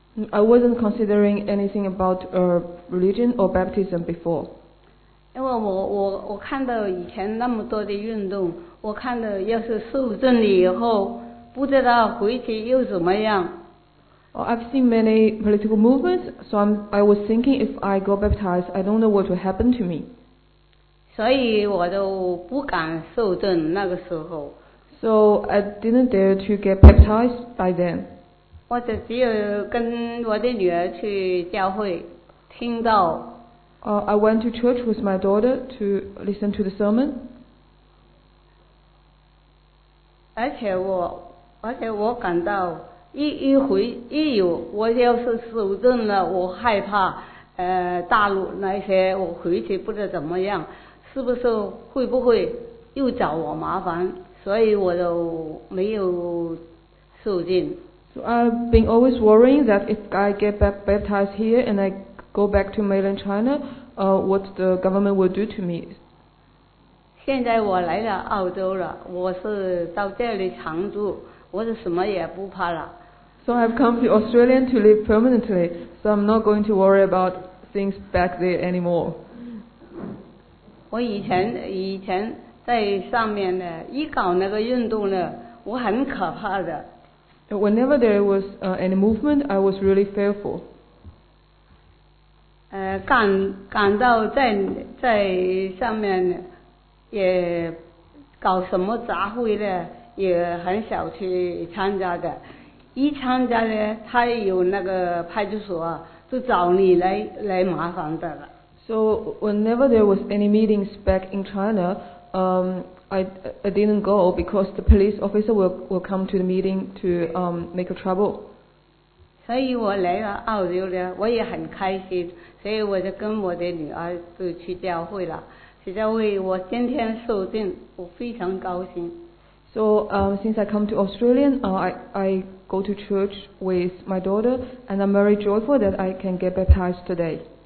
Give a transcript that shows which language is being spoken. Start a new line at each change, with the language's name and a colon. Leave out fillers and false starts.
English: I wasn't considering anything about religion or baptism before.
Chinese: 因为我看到以前那么多的运动，我看到要是受浸了以后，不知道回去又怎么样。
English: Well, I've seen many political movements, so I was thinking if I go baptized, I don't know what will happen to me.
Chinese: 所以我都不敢受浸那个时候。
English: So I didn't dare to get baptized by then.
Chinese: 我就只有跟我的女儿去教会听到。
English: I went to church with my daughter to listen to the sermon.
Chinese: 而且我感到我要是受浸了，我害怕大陆那些我回去不知道怎么样，是不是会不会又找我麻烦，所以我就没有受浸。
English: So I've been always worrying that if I get baptized here and I go back to mainland China,what the government will do to me.
Chinese: 现在我来了澳洲了，我是到这里常住，我是什么也不怕了。
English: So I've come to Australia to live permanently, so I'm not going to worry about things back there anymore.
Chinese: 我以前在上面呢，一搞那个运动呢，我很可怕的。
English: Whenever there was any movement, I was really fearful.
Chinese: 感到在上面也搞什么杂会呢，也很少去参加的。一参加呢，他有那个派出所就找你来麻烦的了。
English: So whenever there was any meetings back in China, I didn't go because the police officer will come to the meeting to make a trouble.
Chinese: 所以我来了澳洲呢，我也很开心，所以我就跟我的女儿就去教会了。去教会，我今天受浸，我非常高兴。
English: So So since I come to Australia, I go to church with my daughter, and I'm very joyful that I can get baptized today.